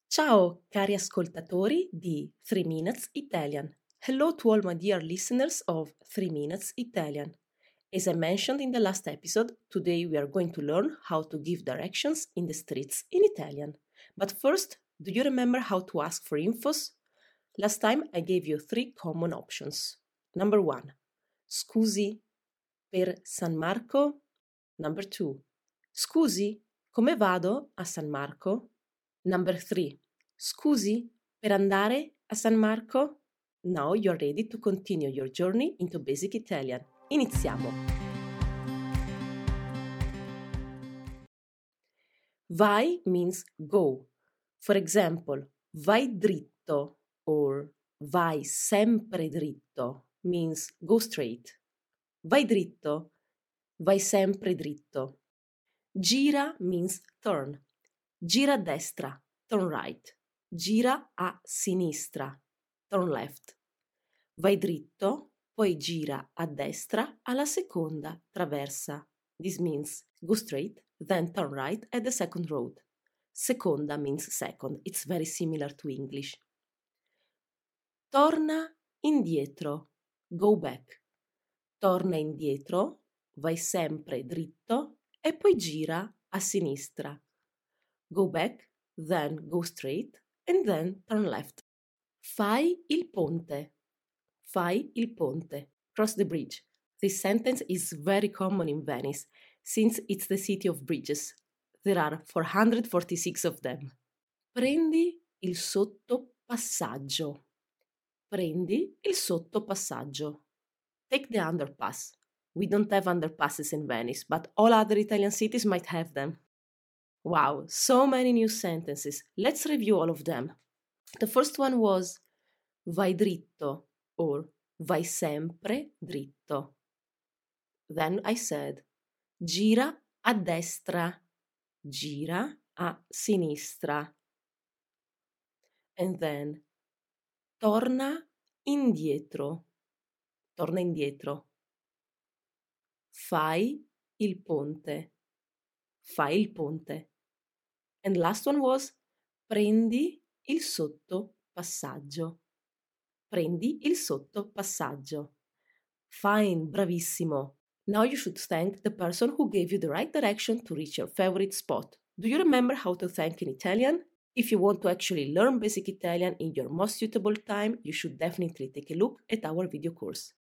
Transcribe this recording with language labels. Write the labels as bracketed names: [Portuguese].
[Italian] Ciao, cari ascoltatori di 3 Minutes Italian. [English] Hello to all my dear listeners of 3 Minutes Italian. As I mentioned in the last episode, today we are going to learn how to give directions in the streets in Italian. But first, do you remember how to ask for infos? Last time I gave you 3 common options. Number 1. [Italian] Scusi, per San Marco? [English] Number 2. [Italian] Scusi, come vado a San Marco? [English] Number 3. [Italian] Scusi, per andare a San Marco? [English] Now you're ready to continue your journey into basic Italian. [Italian] Iniziamo! [English] Vai means go. For example, [Italian] vai dritto [English] or [Italian] vai sempre dritto [English] means go straight. [Italian] Vai dritto, vai sempre dritto. [English] Gira means turn. [Italian] Gira a destra. [English] Turn right. [Italian] Gira a sinistra. [English] Turn left. [Italian] Vai dritto, poi gira a destra alla seconda traversa. [English] This means go straight, then turn right at the second road. Seconda means second. It's very similar to English. [Italian] Torna indietro. [English] Go back. [Italian] Torna indietro, vai sempre dritto e poi gira a sinistra. [English] Go back. Then go straight and then turn left. [Italian] Fai il ponte. Fai il ponte. [English] Cross the bridge. This sentence is very common in Venice since it's the city of bridges. There are 446 of them. [Italian] Prendi il sottopassaggio. Prendi il sottopassaggio. [English] Take the underpass. We don't have underpasses in Venice, but all other Italian cities might have them. Wow, so many new sentences. Let's review all of them. The first one was [Italian] vai dritto [English] or [Italian] vai sempre dritto. [English] Then I said [Italian] gira a destra, gira a sinistra. [English] And then [Italian] torna indietro, torna indietro. Fai il ponte, fai il ponte. [English] And last one was [Italian] prendi il sottopassaggio. Prendi il sottopassaggio. Fine, bravissimo. [English] Now you should thank the person who gave you the right direction to reach your favorite spot. Do you remember how to thank in Italian? If you want to actually learn basic Italian in your most suitable time, you should definitely take a look at our video course.